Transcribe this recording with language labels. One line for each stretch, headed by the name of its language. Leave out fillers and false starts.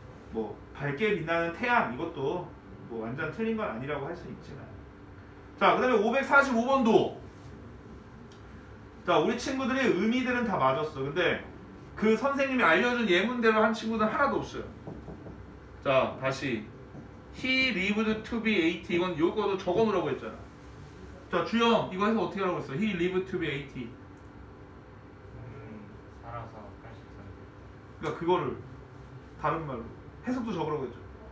Korean: 뭐, 밝게 빛나는 태양. 이것도. 뭐 완전 틀린 건 아니라고 할 수 있지만. 자, 그 다음에 545번도 자 우리 친구들의 의미들은 다 맞았어. 근데 그 선생님이 알려준 예문대로 한 친구는 하나도 없어요. 자, 다시
English: He lived to be 80.
Korean: 이건 요거도 적어놓으라고 했잖아. 자, 주영 이거 해서 어떻게 하라고 했어?
English: He lived to be 80.
Korean: 살아서 80살. 그니까 그거를 다른 말로 해석도 적으라고 했죠.